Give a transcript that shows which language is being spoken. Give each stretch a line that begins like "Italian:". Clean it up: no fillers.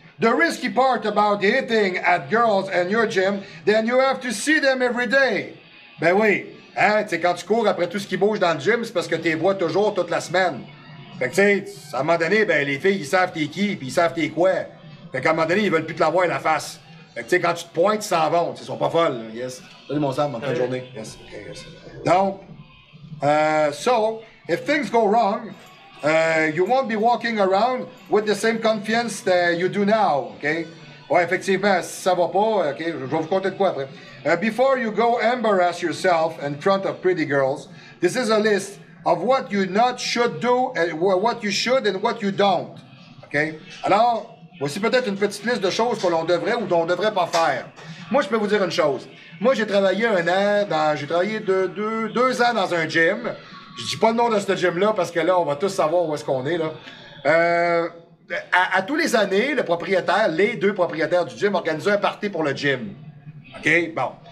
English: The risky part about hitting at girls in your gym, then you have to see them every day.
French: Ben oui. Hein, tu sais, quand tu cours après tout ce qui bouge dans le gym, c'est parce que tu les vois toujours toute la semaine. Fait que, tu sais, à un moment donné, ben les filles, ils savent t'es qui, puis ils savent t'es quoi. Fait qu'à un moment donné, ils veulent plus te la voir la face. Fait que, tu sais, quand tu te pointes, ils s'en vont. Ils sont pas folles. Là. Yes. Salut, mon Sam, bonne fin de journée. Yes. Okay, yes.
English: Donc, if things go wrong, you won't be walking around with the same confidence that you do now, okay?
French: Ouais, effectivement, si ça va pas, ok, je vais vous compter de quoi après.
English: Before you go embarrass yourself in front of pretty girls, this is a list of what you not should do, and what you should and what you don't, okay?
French: Alors, voici peut-être une petite liste de choses que l'on devrait ou dont on devrait pas faire. Moi, je peux vous dire une chose. Moi, j'ai travaillé deux ans dans un gym. Je dis pas le nom de ce gym-là parce que là, on va tous savoir où est-ce qu'on est, là. À tous les années, les deux propriétaires du gym organisaient un party pour le gym. OK? Bon.